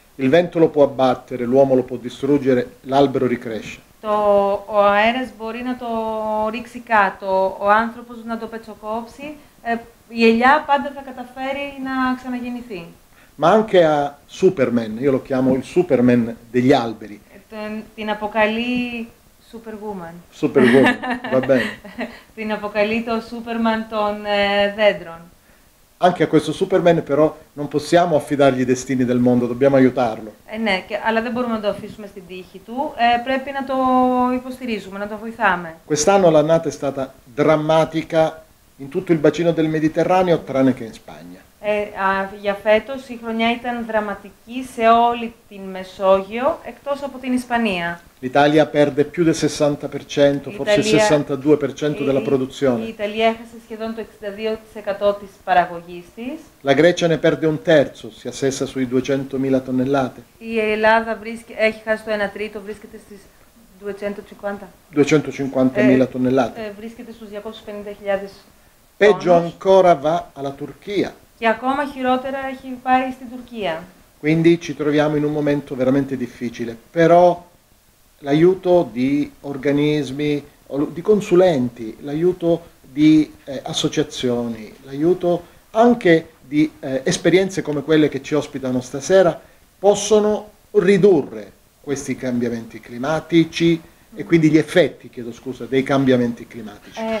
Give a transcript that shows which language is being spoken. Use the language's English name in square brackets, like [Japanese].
[Italian] Il vento lo può abbattere, l'uomo lo può distruggere, l'albero ricresce. [Greek] Ο αέρας μπορεί να το ρίξει κάτω, ο άνθρωπος να το πετσοκόψει, η ελιά πάντα θα καταφέρει να ξαναγεννηθεί. [Italian] Ma anche a Superman, io lo chiamo il Superman degli alberi. [Greek] Την αποκαλεί Superwoman. [Italian] Superwoman, va bene. [Greek] Την αποκαλεί το Superman των δέντρων. [Italian] Anche a questo Superman però non possiamo affidargli i destini del mondo, dobbiamo aiutarlo. [Greek] Ναι, αλλά δεν μπορούμε να το αφήσουμε στην τύχη του, πρέπει να το υποστηρίζουμε, να το βοηθάμε. [Italian] Quest'anno l'annata è stata drammatica in tutto il bacino del Mediterraneo, tranne che in Spagna. [Greek] Για φέτος η χρονιά ήταν δραματική σε όλη την Μεσόγειο, εκτός από την Ισπανία. [Italian] L'Italia perde più del 60%, forse il 62% della produzione. [Greek] L'Italia έχασε σχεδόν το 62% της παραγωγής της. [Italian] La Grecia ne perde un terzo, si assesta sui 200.000 tonnellate. [Greek] Η Ελλάδα έχει χάσει το 1/3, βρίσκεται στις [Italian] 250.000 tonnellate. [Greek] Βρίσκεται στους 250.000 [Italian] tonnellate. Peggio ancora va alla Turchia. [Greek] Και ακόμα χειρότερα έχει πάει στην Τουρκία. [Italian] Quindi ci troviamo in un momento veramente difficile, però l'aiuto di organismi, di consulenti, l'aiuto di associazioni, l'aiuto anche di esperienze come quelle che ci ospitano stasera possono ridurre questi cambiamenti climatici e quindi gli effetti, chiedo scusa, dei cambiamenti climatici.